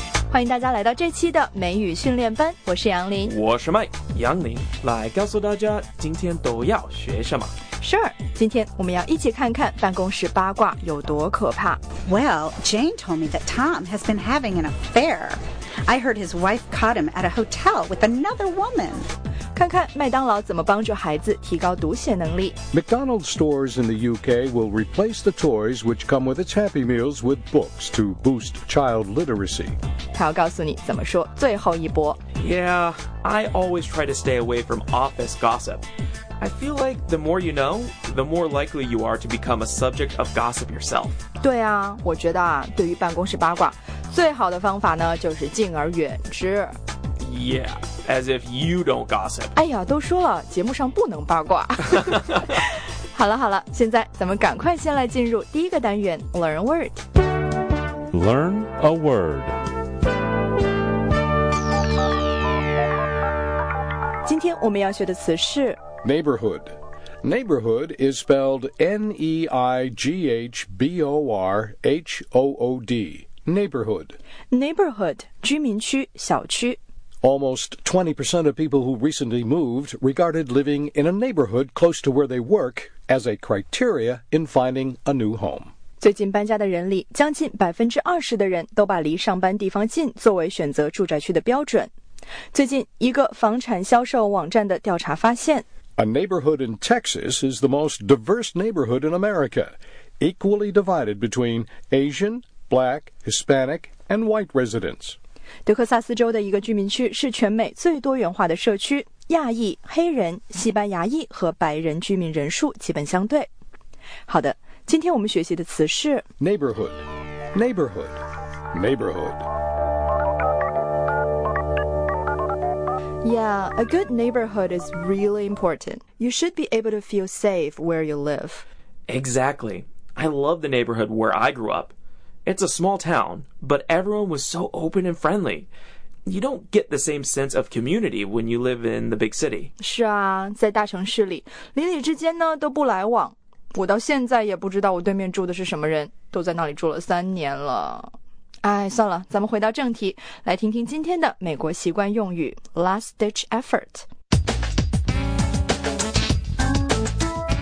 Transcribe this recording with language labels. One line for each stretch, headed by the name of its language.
Chinese: 欢迎大家来到这期的美语训练班，我是杨林。我是麦杨林，来告诉大家今天都要学什么。 Sure, 今天我们要一起看看办公室八卦有多可怕。
English: Well, Jane told me that Tom has been having an affair. I heard his wife caught him at a hotel with another woman.
Chinese: 看看麦当劳怎么帮助孩子提高读写能力。
English: McDonald's stores in the UK will replace the toys which come with its Happy Meals with books to boost child literacy.
Chinese: 他要告诉你怎么说最后一波。
English: Yeah, I always try to stay away from office gossip. I feel like the more you know, the more likely you are to become a subject of gossip yourself.
Chinese: 对啊，我觉得啊，对于办公室八卦，最好的方法呢，就是敬而远之。
English: Yeah. As if you don't gossip.
Chinese: 哎呀，都说了，节目上不能八卦。好了好了，现在咱们赶快先来进入第一个单元 ,
English: Learn a Word. Learn a Word.
Chinese: 今天我们要学的词是
English: Neighborhood. Neighborhood is spelled N-E-I-G-H-B-O-R-H-O-O-D. Neighborhood.
Chinese: Neighborhood, 居民区、小区。
English: Almost 20% of people who recently moved regarded living in a neighborhood close to where they work as a criteria in finding a new home.
Chinese: 最近搬家的人里，将近 20% 的人都把离上班地方近作为选择住宅区的标准。最近一个房产销售网站的调查发现，
English: A neighborhood in Texas is the most diverse neighborhood in America, equally divided between Asian, Black, Hispanic, and White residents.
Chinese: 德克萨斯州的一个居民区是全美最多元化的社区，亚裔、黑人、西班牙裔和白人居民人数基本相对。好的，今天我们学习的词是
English: Neighborhood, Neighborhood, Neighborhood. Yeah, a good neighborhood is really important. You should be able to feel safe where you live. Exactly. I love the neighborhood where I grew up. It's a small town, but everyone was so open and friendly. You don't get the same sense of community when you live in the big city.
Chinese: 是啊，在大城市里，邻里之间呢都不来往。我到现在也不知道我对面住的是什么人，都在那里住了三年了。哎，算了，咱们回到正题，来听听今天的美国习惯用语 Last Ditch Effort。